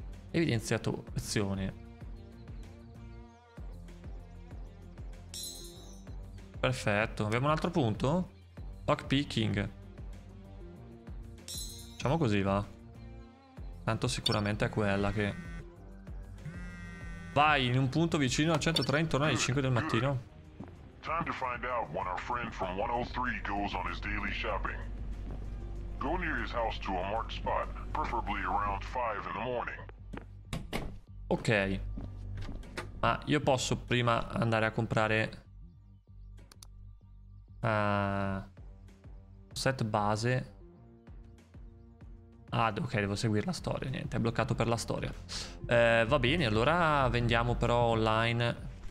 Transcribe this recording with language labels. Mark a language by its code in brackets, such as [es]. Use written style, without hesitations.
[it] Evidenzia azione, perfetto, abbiamo un altro punto? Lockpicking, facciamo così va, tanto sicuramente è quella che... Vai in un punto vicino al 103 intorno alle 5 del mattino. [en] Time to find out when our friend from 103 goes on his daily shopping. Go near his house to a marked spot, preferably around 5 in the morning. Ok. [it] Ma io posso prima andare a comprare set base. Ah, ok, devo seguire la storia. Niente, è bloccato per la storia. Va bene, allora vendiamo però online.